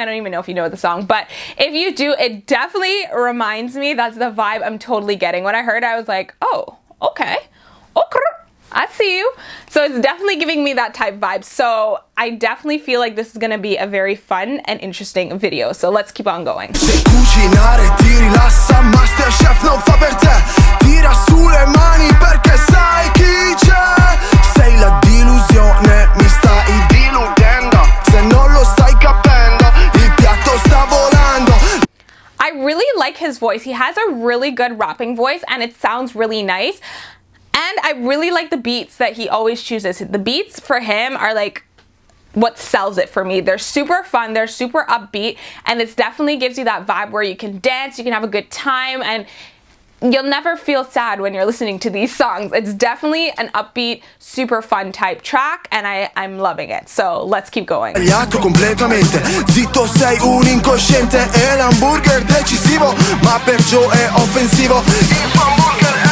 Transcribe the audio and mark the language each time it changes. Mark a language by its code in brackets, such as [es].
[en] I don't even know if you know the song, but if you do, it definitely reminds me. That's the vibe I'm totally getting. When I heard it, I was like, oh, okay. I see you. So it's definitely giving me that type vibe. So I definitely feel like this is gonna be a very fun and interesting video. So let's keep on going. [it] Se cucinare ti rilassa, Masterchef non fa per te. Tira su le mani perché sai chi c'è. Sei la delusione, mi stai deludendo. Se non lo stai capendo, il piatto sta volando. [en] I really like his voice. He has a really good rapping voice and it sounds really nice. And I really like the beats that he always chooses. The beats for him are like what sells it for me. They're super fun, they're super upbeat, and it definitely gives you that vibe where you can dance, you can have a good time, and you'll never feel sad when you're listening to these songs. It's definitely an upbeat, super fun type track, and I'm loving it. So let's keep going. [it] Sbagliato completamente, zitto sei un incosciente, e l'hamburger decisivo, ma per Joe è offensivo.